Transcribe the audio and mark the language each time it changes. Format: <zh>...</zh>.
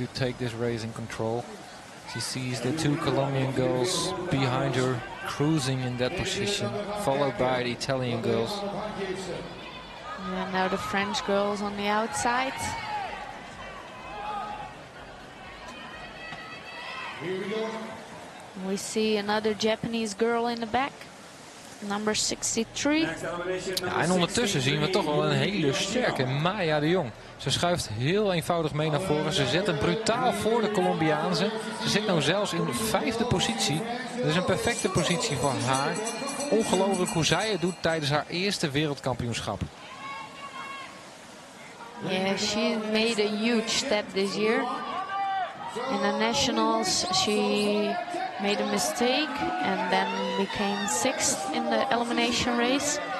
<en>to take this race in control. She sees the two Colombian girls behind her cruising in that position, followed by the Italian girls. And now the French girls on the outside. We see another Japanese girl in the back. Number 63.</en> <nl>Ja, en ondertussen zien we toch wel een hele sterke Maya de Jong. Ze schuift heel eenvoudig mee naar voren. Ze zet hem brutaal voor de Colombiaanse. Ze zit nu zelfs in de vijfde positie. Dat is een perfecte positie voor haar. Ongelooflijk hoe zij het doet tijdens haar eerste wereldkampioenschap.</nl> <en>Yeah, she made a huge step this year. In the nationals, she made a mistake and then became sixth in the elimination race.</en>